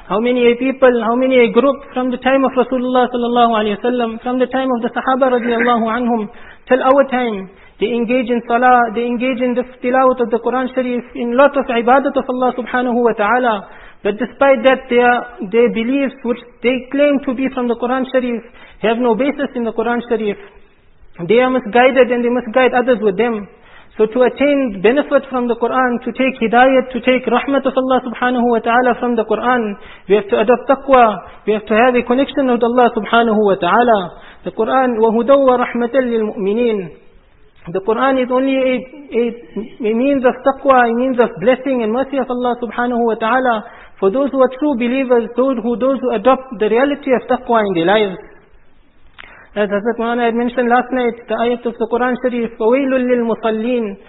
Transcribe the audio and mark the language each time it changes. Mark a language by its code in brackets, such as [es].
[en] How many a group from the time of Rasulullah sallallahu alayhi wa sallam, from the time of the Sahaba radiallahu anhum, till our time, they engage in salah, they engage in the tilawat of the Quran Sharif, in lot of ibadat of Allah subhanahu wa ta'ala, but despite that their beliefs which they claim to be from the Quran Sharif have no basis in the Quran Sharif. They are misguided and they misguide others with them. So to attain benefit from the Qur'an, to take hidayat, to take rahmat of Allah subhanahu wa ta'ala from the Qur'an, we have to adopt taqwa, we have to have a connection with Allah subhanahu wa ta'ala. [ar] The Quran, وَهُدَوَّ رَحْمَةً لِلْمُؤْمِنِينَ. [en] The Quran is only a means of taqwa, a means of blessing and mercy of Allah subhanahu wa ta'ala for those who are true believers, those who adopt the reality of taqwa in their lives. As Hazrat Mawlana had mentioned last night, the ayat of the Quran Sharif, [ar] فَوَيْلٌ لِلْمُصَلِّينَ.